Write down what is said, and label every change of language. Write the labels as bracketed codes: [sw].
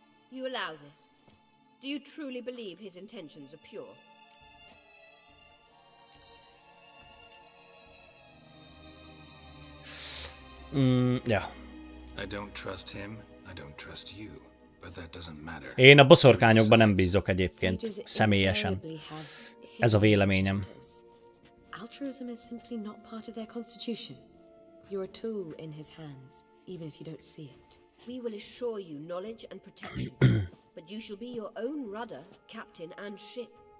[en] You allow this? Do you truly believe his intentions are pure? Yeah. I don't trust him. I don't trust you. But that doesn't matter. [hu] Én a boszorkányokban nem bízok egyébként, személyesen. Ez a véleményem. [en] Altruism is simply not part of their constitution. You're a tool in his hands, even if you don't see it. We will assure you knowledge and protection, but you shall be your own rudder, captain and ship.